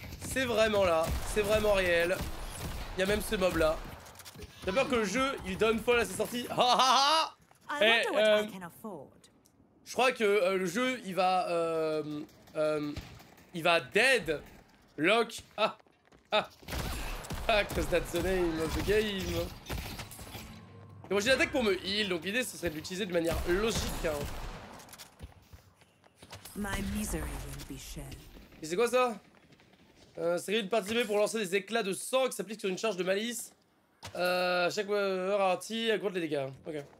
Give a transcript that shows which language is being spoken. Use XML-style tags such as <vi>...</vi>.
<fr>C'est vraiment là. C'est vraiment réel. Y'a même ce mob là. J'ai peur que le jeu, il donne folle à sa sortie. Ha ha ha! Je crois que le jeu il va dead lock.</fr> <en>Ah, cause that's the name of the game.</en> <fr>Et moi j'ai l'attaque pour me heal, donc l'idée ce serait de l'utiliser de manière logique. Hein.</fr> <en>My misery will be shared.</en> <fr>Et c'est quoi ça? C'est de participer pour lancer des éclats de sang qui s'appliquent sur une charge de malice. Chaque heure ralentie augmente les dégâts. Ok.</fr>